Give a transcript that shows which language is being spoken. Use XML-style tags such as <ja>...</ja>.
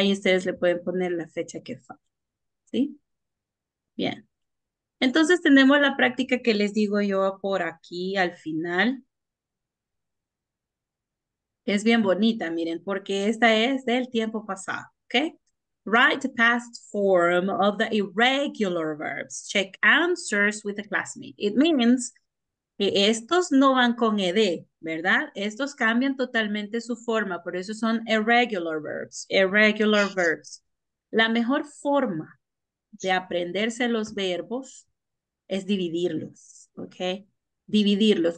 <es>Ahí ustedes le pueden poner la fecha que falta, ¿sí? Bien. Entonces tenemos la práctica que les digo yo por aquí al final. Es bien bonita, miren, porque esta es del tiempo pasado, ¿ok?</es> <en>Write the past form of the irregular verbs. Check answers with the classmate. It means</en> <es>que estos no van con ED, ¿verdad? Estos cambian totalmente su forma, por eso son irregular verbs, irregular verbs. La mejor forma de aprenderse los verbos es dividirlos, ¿ok? Dividirlos.</es>